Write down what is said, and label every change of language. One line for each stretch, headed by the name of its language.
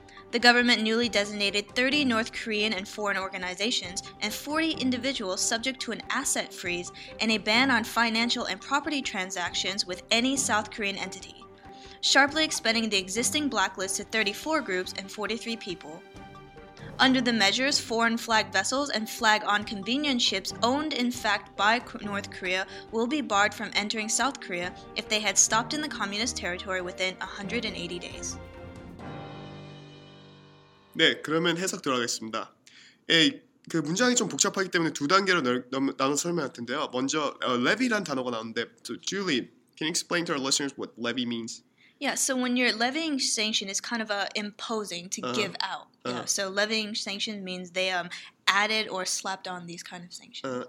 English: The government newly designated 30 North Korean and foreign organizations and 40 individuals subject to an asset freeze and a ban on financial and property transactions with any South Korean entity, sharply expanding the existing blacklist to 34 groups and 43 people. Under the measures, foreign flag vessels and flag-on convenience ships owned, in fact, by North Korea will be barred from entering South Korea if they had stopped in the communist territory within 180 days.
Korean: 네, 그러면 해석 들어가겠습니다. 예, 그 문장이 좀 복잡하기 때문에 두 단계로 나눠 설명할 텐데요. 먼저 levy란 단어가 나오는데,
English: so Julie, can you explain to our listeners what levy means? Yeah, so when you're levying sanction, it's kind of a imposing to give out. Yeah, so levying sanction means they added or slapped on these kind of sanctions.